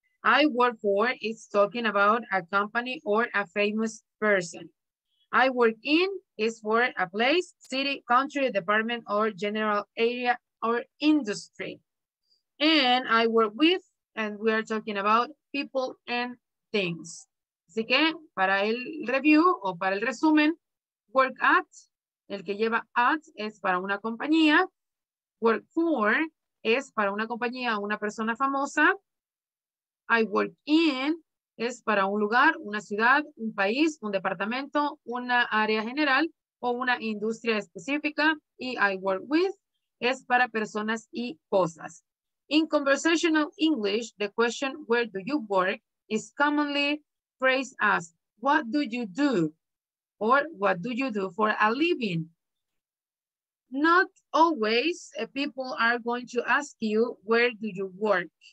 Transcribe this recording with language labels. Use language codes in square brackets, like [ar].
[en] I work for, it's talking about a company or a famous person. I work in is for a place, city, country, department, or general area or industry. And I work with, and we are talking about people and things. [es] Así que, para el review o para el resumen, work at, el que lleva at es para una compañía. Work for es para una compañía o una persona famosa. I work in es para un lugar, una ciudad, un país, un departamento, una área general o una industria específica. Y I work with es para personas y cosas. [en] In conversational English, the question, where do you work, is commonly phrased as, what do you do? Or what do you do for a living? Not always people are going to ask you, where do you work?